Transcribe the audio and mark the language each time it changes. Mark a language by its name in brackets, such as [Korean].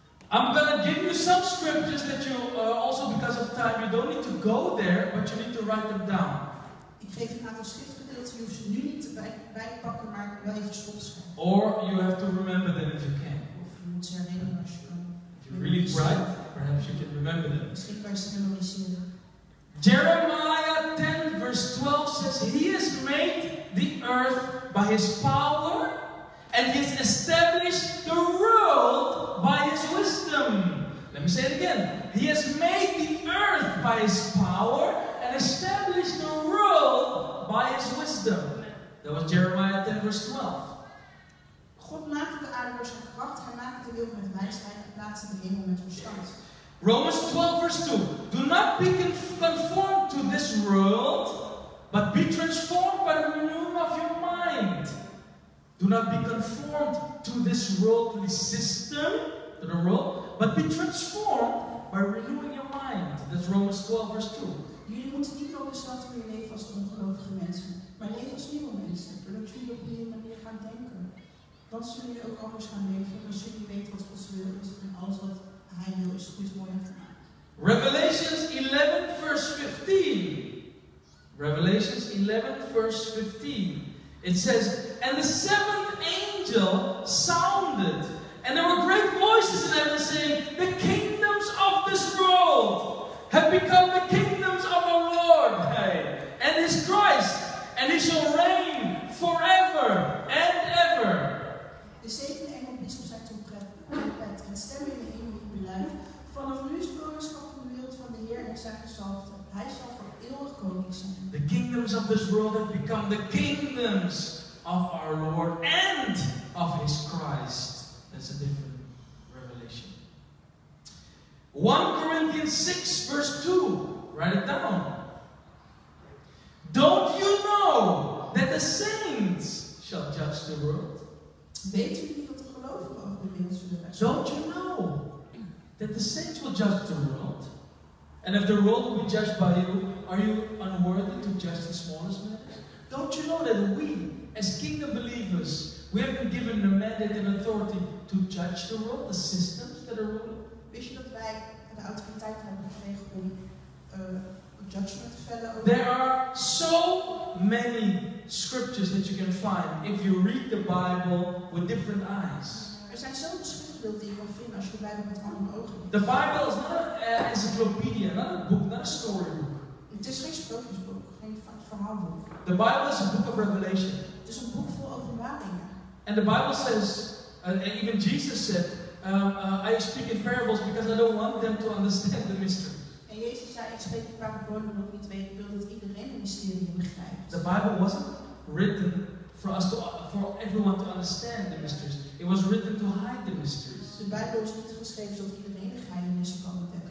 [English] I'm going to give you some scriptures that you, also because of time, you don't need to go there, but you need to write them down. [Dutch] Ik geef een aantal schriftgedeelten, je hoeft ze nu niet bijpakken, maar wel even opschrijven. [English] Or you have to remember them if you can. [Dutch] Of je moet ze herinneren als je kan. [English] If you're really bright, perhaps you can remember them. [Dutch] Misschien kan je ze memoriseren. [English] Jeremiah 10 verse 12 says, He has made the earth by His power, and He has established the world by His wisdom. Let me say it again. He has made the earth by His power and established the world by His wisdom. That was Jeremiah 10 verse 12. [Dutch] God maakte de aarde door zijn kracht. Hij maakte de wereld met wijsheid en plaatste de hemel met verstand. [English] Romans 12 verse 2. Do not be conformed to this world, but be transformed by the renewing of your mind. Do not be conformed to this worldly system, to the world, but be transformed by renewing your mind. That's Romans 12 verse 2. [Dutch] Jullie moeten niet meer op dezelfde manier leven als ongelovige mensen, maar leven als nieuwe mensen, zodat jullie op die manier gaan denken. Dan zullen jullie ook anders gaan leven, dan zullen jullie weten wat God's wil is en alles wat Hij wil is goed, mooi en gemaakt. [English] Revelations 11 verse 15. Revelations 11 verse 15. It says, and the seventh angel sounded, and there were great voices in heaven saying, the kingdoms of this world have become the kingdoms of our Lord, hey, and His Christ, and He shall reign forever and ever. [Dutch] De zevende engel blies op zijn trompet en stemmen in de hemel die beluidt, vanaf nu is koningschap van de wereld van de Heer en zijn gezalfde. Hij zal voor eeuwig koning zijn. [English] The kingdoms of this world have become the kingdoms of our Lord and of His Christ. That's a different revelation. 1 Corinthians 6 verse 2. Write it down. Don't you know that the saints shall judge the world? [Dutch] Weet u niet wat de gelovigen over de wereld zullen zeggen? [English] Don't you know that the saints will judge the world? And if the world will be judged by you, are you unworthy to judge the smallest matters? Don't you know that we, as kingdom believers, we have been given the mandate and authority to judge the world, the systems that are ruling? [Dutch] Wist je dat wij de autoriteit hebben gekregen om judgment te vellen over? [English] There are so many scriptures that you can find if you read the Bible with different eyes. [Dutch] Er zijn zoveel schriftbeelden die je kan vinden als je blijft met andere ogen. [English] The Bible is not an encyclopedia, not a book, not a storybook. [Dutch] Het is geen sprookjesboek, geen verhaalboek. [English] The Bible is a book of revelation. [Dutch] Het is een boek vol openbaringen. [English] And the Bible says, and even Jesus said, I speak in parables because I don't want them to understand the mystery. [Dutch] En Jezus zei, ik spreek in parables omdat ik niet weet, ik wil dat iedereen het mysterie begrijpt. [English] The Bible wasn't written for us to, for everyone to understand the mysteries. It was written to hide the mysteries. [Dutch] De Bijbel is niet geschreven zodat iedereen de geheimenissen kan ontdekken.